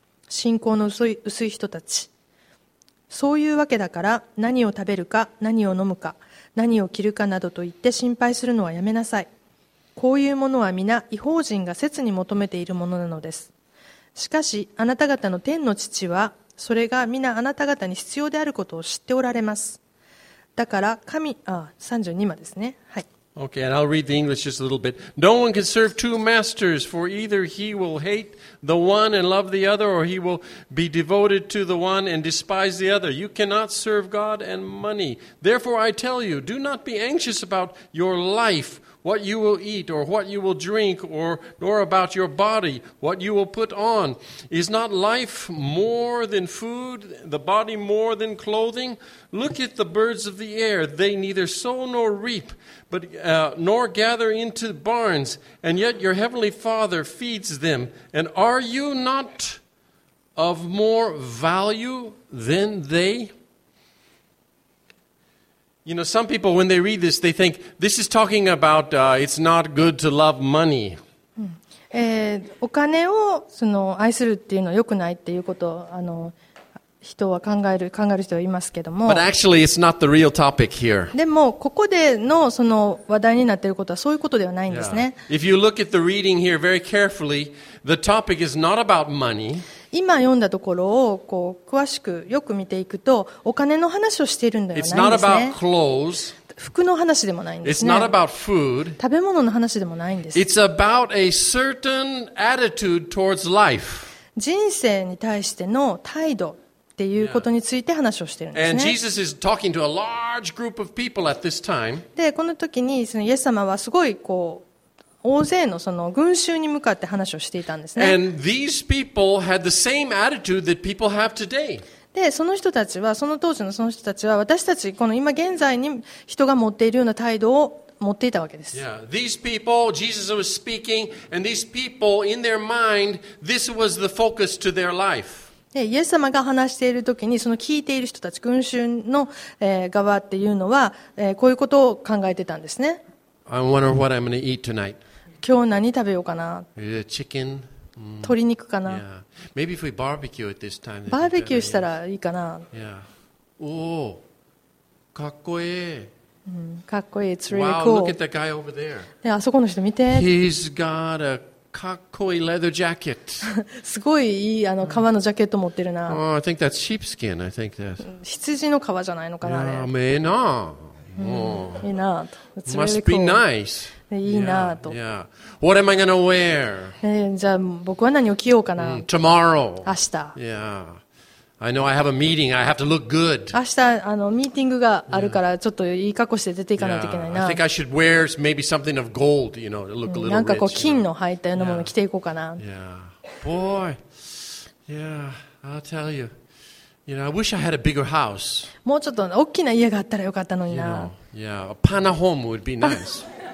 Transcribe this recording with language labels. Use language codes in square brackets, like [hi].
[ja] 信仰の薄い人たち、そういうわけだから何を食べるか何を飲むか何を着るかなどと言って心配するのはやめなさい。こういうものは皆異邦人が切に求めているものなのです。しかしあなた方の天の父はそれが皆あなた方に必要であることを知っておられます。だから神、32まですね、はい、 [en] Okay, and I'll read the English just a little bit. No one can serve two masters, for either he will hate the one and love the other, or he will be devoted to the one and despise the other. You cannot serve God and money. Therefore I tell you, do not be anxious about your life, what you will eat or what you will drink or nor about your body, what you will put on. Is not life more than food, the body more than clothing? Look at the birds of the air. They neither sow nor reap, but nor gather into barns, and yet your heavenly Father feeds them. And are you not of more value than they? You know, some people, when they read this, they think, this is talking about, it's not good to love money. [ja] お金をその愛するっていうのは良くないっていうことを、人は考える人はいますけども。 [en] But actually, it's not the real topic here. [ja] でも、ここでのその話題になっていることはそういうことではないんですね。 Yeah. [en] If you look at the reading here very carefully, the topic is not about money. [ja] 今読んだところをこう詳しくよく見ていくとお金の話をしているんではないんですね。服の話でもないんですね。食べ物の話でもないんです。 [en] It's about a certain attitude towards life. [ja] 人生に対しての態度っていうことについて話をしているんですね。 [en] And Jesus is talking to a large group of people at this time. [ja] で、この時にそのイエス様はすごいこう大勢 の, その群衆に向かって話をしていたんですね。 [en] And these people had the same attitude that people have today. [ja] で、その人たちは、その当時のその人たちは、私たち、この今現在に人が持っているような態度を持っていたわけです。 [en] Yeah. These people, Jesus was speaking, and these people, in their mind, this was the focus to their life. [ja] でイエス様が話しているときにその聞いている人たち、群衆の、側っていうのは、こういうことを考えてたんですね。 [en] I wonder what I'm going to eat tonight. [ja] 今日何食べようかな。 [en] Chicken. [ja] 鶏肉かな。 [en] Yeah. Maybe if we barbecue at this time. [ja] バーベキューしたらいいかな。 [en] Yeah. Oh, [ja] かっこいい。かっこいい。 [en] It's really cool. Wow, look at that guy over there. [ja] で、あそこの人見て。 [en] He's got a [ja] かっこいい [en] leather jacket. [ja] すごいいい革のジャケット持ってるな。 [en] Oh, I think that's sheepskin. I think that's. [ja] 羊の革じゃないのかな。 [en] Yeah, may not. [ja] いいなぁと。 [en] It's really cool. Must be nice. [ja] いいなぁと。 [en] Yeah. What am I gonna wear? [ja] じゃあ僕は何を着ようかな。 [en] Tomorrow. [ja] 明日。 [en] Yeah. I know I have a meeting. I have to look good. [ja] 明日ミーティングがあるからちょっといい格好して出ていかないといけないな。 [en] I think I should wear maybe something of gold. You know, look a little rich. [ja] なんかこう金の入ったようなもの着ていこうかな。 [en] Yeah. Boy. Yeah. I'll tell you. You know, I wish I had a bigger house. [ja] もうちょっと大きな家があったらよかったのにな。 [en] You know, yeah, a panahome would be nice.